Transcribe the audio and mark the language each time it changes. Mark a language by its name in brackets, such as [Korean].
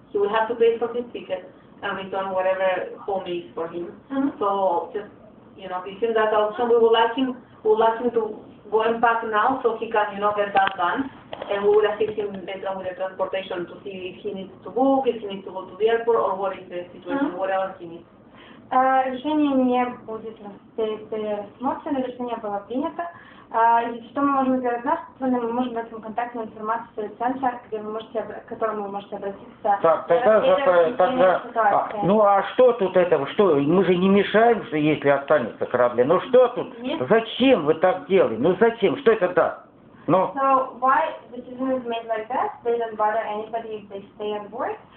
[English] He will have to pay for his ticket and return whatever home is for him. Mm-hmm. So just, you know, if that option, we will ask him. We will ask him to go and pack now so he can, you know, get that done. And we will assist him later with the transportation to see if he needs to book, if he needs to go to the airport, or what is the situation, mm-hmm. whatever he needs. [Russian] Решение не будет пересмотрено, решение было принято. И что мы можем сделать наш стороны, мы можем дать вам контактную информацию из центра, где вы можете, к которому вы можете обратиться. Так, тогда ну а что тут это, что, мы же не мешаем, что если останется корабль, ну что тут, нет. Зачем вы так делаете, ну зачем, что это даст? Ну. [English] So why the decision is made like that, they don't bother anybody if they stay on board.